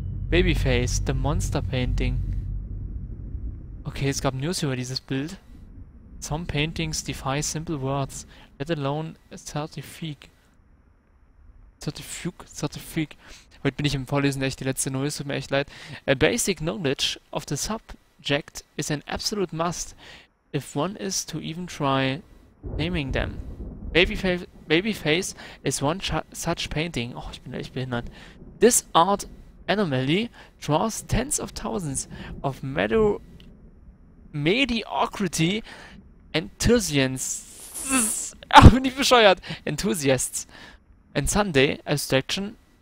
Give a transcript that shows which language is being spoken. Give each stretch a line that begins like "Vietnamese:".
English: Babyface, the monster painting.
German: Okay, es gab News über dieses Bild.
English: Some paintings defy simple words, let alone a certifique. Certifique, certifique.
German: Heute bin ich im Vorlesen echt die letzte Null, tut mir echt leid.
English: A basic knowledge of the subject is an absolute must, if one is to even try naming them. Babyface is one such painting.
German: Oh, ich bin echt behindert.
English: This art anomaly draws tens of thousands of mediocrity enthusiasts.
German: Ach, bin ich bescheuert.
English: Enthusiasts. And Sunday, abstraction.